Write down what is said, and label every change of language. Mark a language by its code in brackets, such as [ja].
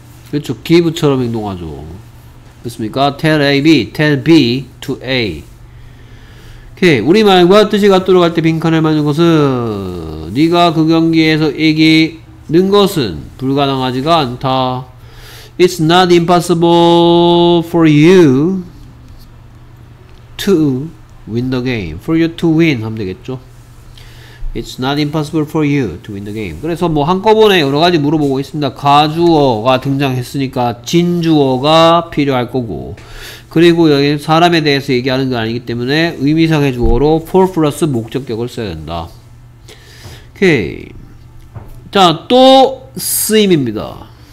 [ko] 그렇죠. give처럼 행동하죠. 그렇습니까? [en] tell A, B. tell B to A. [ko] 오케이. 우리말과 뜻이 같도록 할 때 빈칸을 맞는 것은 네가 그 경기에서 이기는 것은 불가능하지가 않다. [en] It's not impossible for you to win the game. For you to win [ko] 하면 되겠죠. [en] It's not impossible for you to win the game. [ko] 그래서 뭐 한꺼번에 여러 가지 물어보고 있습니다. 가주어가 등장했으니까 진주어가 필요할 거고 그리고 여기 사람에 대해서 얘기하는 게 아니기 때문에 의미상의 주어로 for plus 목적격을 써야 된다. 오케이. 자, 또 쓰임입니다.